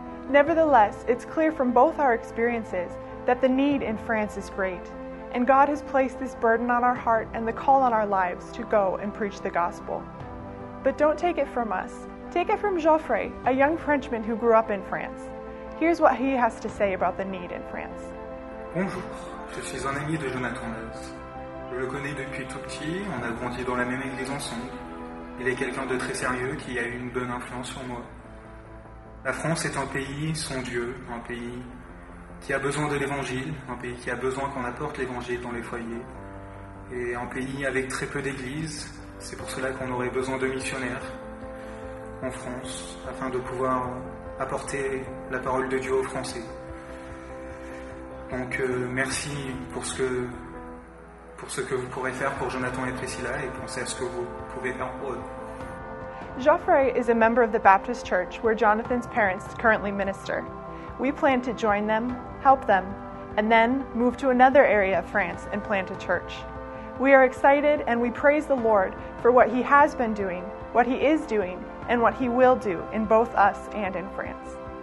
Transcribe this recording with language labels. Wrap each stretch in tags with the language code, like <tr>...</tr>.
<en>Nevertheless, it's clear from both our experiences that the need in France is great, and God has placed this burden on our heart and the call on our lives to go and preach the gospel. But don't take it from us. Take it from Geoffrey, a young Frenchman who grew up in France. Here's what he has to say about the need in France.</en> <fr>Bonjour, je suis un ami de Jonathan Lewis. Je le connais depuis tout petit, on a grandi dans la même église ensemble. Il est quelqu'un de très sérieux qui a eu une bonne influence sur moi. La France est un pays sans Dieu, un pays qui a besoin de l'évangile, un pays qui a besoin qu'on apporte l'évangile dans les foyers, et un pays avec très peu d'églises. C'est pour cela qu'on aurait besoin de missionnaires en France, afin de pouvoir apporter la parole de Dieu aux Français. Donc merci pour ce que vous pourrez faire pour Jonathan et Priscilla, et pensez à ce que vous pouvez faire pour eux.</fr> <en>Geoffrey is a member of the Baptist Church where Jonathan's parents currently minister. We plan to join them, help them, and then move to another area of France and plant a church. We are excited and we praise the Lord for what He has been doing, what He is doing, and what He will do in both us and in France.</en>